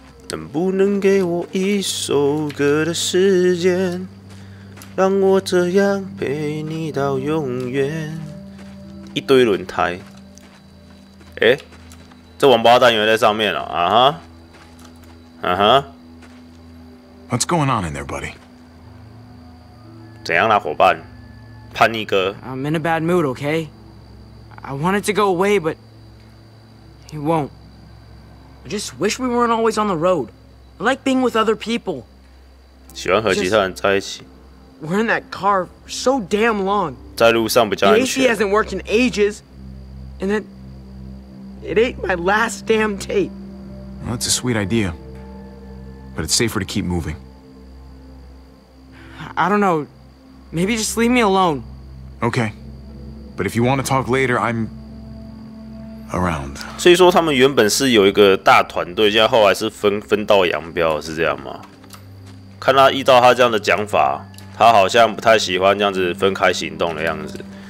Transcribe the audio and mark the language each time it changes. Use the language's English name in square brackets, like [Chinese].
[Chinese] 能不能给我一首歌的时间？让我这样陪你到永远。一堆轮胎。哎，这王八蛋原来在上面了啊！哈。 [English] What's going on in there, buddy? [Chinese] 怎样啦，伙伴？叛逆哥。 [English] I'm in a bad mood, okay? I want it to go away, but it won't. I just wish we weren't always on the road. I like being with other people. [Chinese] 喜欢和其他人在一起。 [English] We're in that car for so damn long. [Chinese] 在路上比较安全。 [English] The AC hasn't worked in ages, and it ain't my last damn tape. Well, that's a sweet idea. But it's safer to keep moving. I don't know. Maybe just leave me alone. Okay. But if you want to talk later, I'm around. [Chinese] 所以说他们原本是有一个大团队，现在后来是分道扬镳，是这样吗？看他依照他这样的讲法，他好像不太喜欢这样子分开行动的样子。